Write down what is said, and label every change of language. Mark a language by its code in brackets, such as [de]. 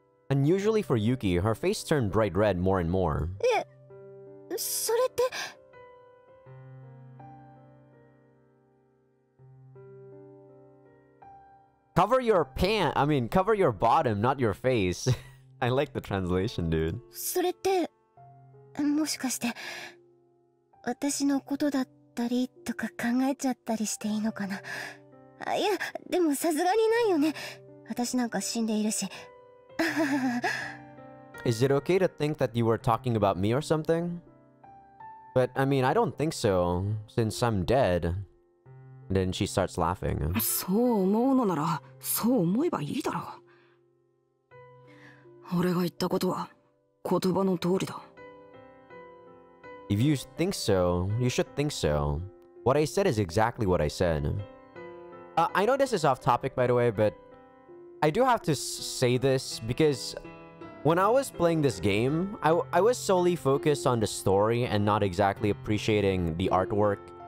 [en] Unusually for Yuki, her face turned bright red more and more. [ja] それって… [en] Cover your pant, I mean, cover your bottom, not your face. I like the translation, dude. [ja] それって、もしかして、私のことだっったりとか考えちゃったりしていいのかな。あ、いや、でもさすがにないよね。私なんか死んでいるし。 [en] Is it okay to think that you were talking about me or something? But, I mean, I don't think so, since I'm dead. And then she starts laughing. [ja] そう思うのなら、そう思えばいいだろう。俺が言ったことは、言葉の通りだ。 [en] If you think so, you should think so. What I said is exactly what I said. I know this is off topic, by the way, but I do have to say this because when I was playing this game, I was solely focused on the story and not exactly appreciating the artwork.